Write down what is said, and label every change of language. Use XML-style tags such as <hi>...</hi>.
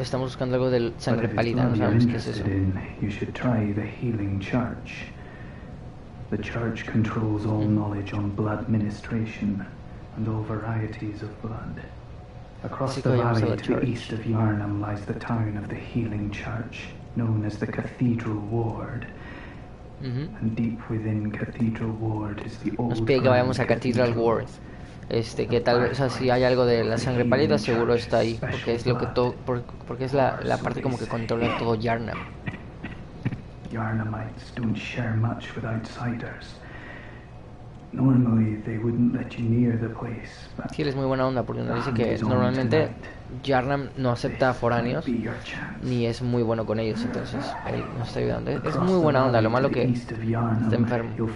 <es>Estamos buscando algo de sangre pálida, no sabemos qué es eso.</es> <en>In, you should try the healing charge. The charge controls all knowledge on blood ministration and all varieties of blood. Across the valley to the east of Yharnam lies the town of the healing charge, known as the Cathedral Ward. And deep within Cathedral Ward is the old Cathedral Ward.</en> <es>Que tal vez, o sea, si hay algo de la sangre pálida, seguro está ahí, porque es lo que todo, porque es la parte como que controla todo Yharnam.</es> <en>Yharnamites don't share much with outsiders. Normally they wouldn't let you near the place.</en> <es>Sí, es muy buena onda, porque nos dice que normalmente Yharnam no acepta foráneos ni es muy bueno con ellos, entonces ahí nos está ayudando. Es muy buena onda, lo malo que está enfermo.</es>